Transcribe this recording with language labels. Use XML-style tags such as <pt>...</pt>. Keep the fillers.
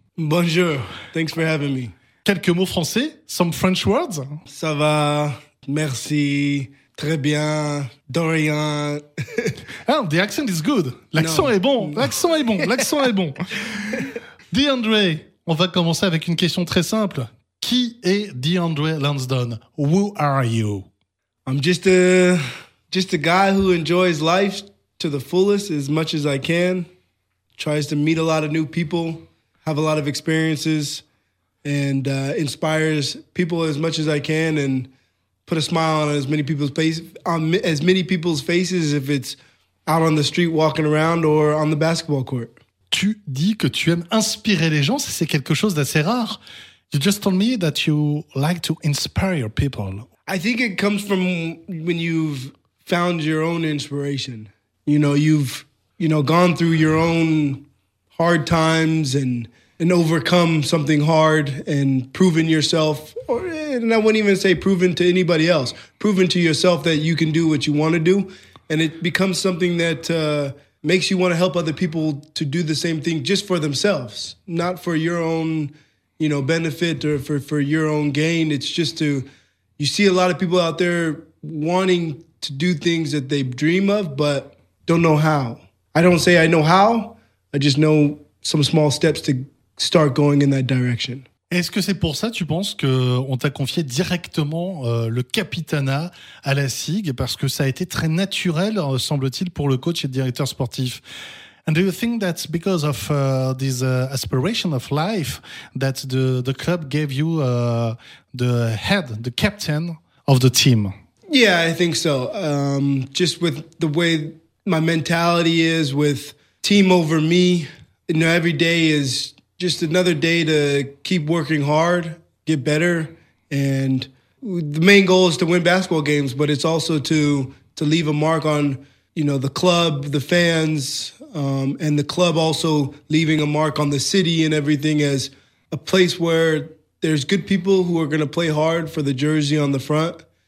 <en>Bonjour, thanks for having me.</en> <fr>Quelques mots français,</fr> <en>some French words</en> <fr>Ça va, merci, très bien, Dorian.</fr> <en>Ah, the accent is good. L'accent</en> <fr>Non. est bon. L'accent est bon. L'accent est bon. DeAndre, on va commencer avec une question très simple. Qui est DeAndre Lansdowne?</fr> <en>Who are you? I'm just a just a guy who enjoys life to the fullest as much as I can. Tries to meet a lot of new people, have a lot of experiences, and uh, inspires people as much as I can, and put a smile on as many people's face on mi- as many people's faces if it's out on the street walking around or on the basketball court.</en> <fr>Tu dis que tu aimes inspirer les gens, ça, c'est quelque chose d'assez rare.</fr> <en>You just told me that you like to inspire people. I think it comes from when you've found your own inspiration. You know, you've you know gone through your own hard times and and overcome something hard and proven yourself or and I wouldn't even say proven to anybody else, proven to yourself that you can do what you want to do and it becomes something that uh makes you want to help other people to do the same thing just for themselves, not for your own, you know, benefit or for for your own gain. It's just to you see a lot of people out there wanting to do things that they dream of but don't know how. I don't say I know how. I just know some small steps to start going in that direction.</en> <fr>Est-ce que c'est pour ça, tu penses, qu'on t'a confié directement euh, le capitana à la SIG Parce que ça a été très naturel, euh, semble-t-il, pour le coach et le directeur sportif.</fr> <en>And do you think that's because of uh, this uh, aspiration of life that the, the club gave you uh, the head, the captain of the team Yeah, I think so. Um, just with the way my mentality is with team over me, you know, every day is just another day to keep working hard, get better, and the main goal is to win basketball games, but it's also to to leave a mark on you know the club, the fans, um, and the club also leaving a mark on the city and everything as a place where there's good people who are going to play hard for the jersey on the front</en>